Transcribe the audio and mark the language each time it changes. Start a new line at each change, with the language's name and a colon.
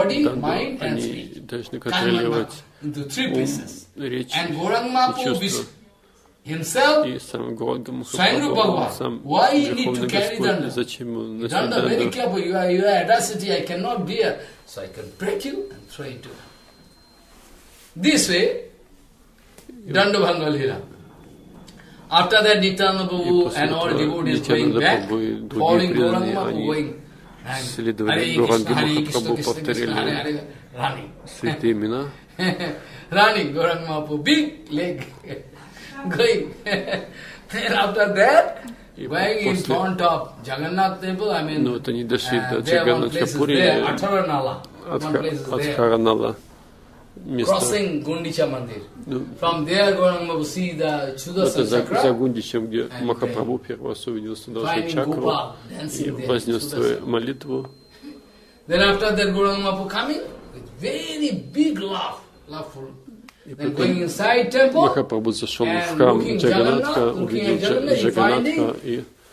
Russian: они должны контролировать речь и чувства.
English: Himself,
Russian: и сам Гуранга Махапрабху, сам Верховный Господь, зачем ему носить данду?
English: Данда, very careful, you are audacity, I cannot bear, so I can break you and throw into him. This way, Danda Bhanga Lila. After that, Nithyananda Prabhu and all devotees going back, following Gauranga Mahaprabhu, going, and Hare Krishna, Krishna, Krishna, Krishna, Hare Hare, Rani.
Russian: Святые имена.
English: Rani, Gauranga Mahaprabhu, big leg. Going. Then after that, going in front of Jagannath temple, I mean, there one place Chapuri, is there, Atharanala, Atharanala, crossing Gundicha Mandir. No. From there, Gauranga Mahaprabhu see the Chudasa Chakra,
Russian: за Гундичем, где Махапрабху первый раз увидел Судасу Чакру, и вознес свою молитву.
English: Then after that, Gauranga Mahaprabhu coming with very big love, loveful.
Russian: Махапрабху зашел в храм Джаганатха, увидел Джаганатха и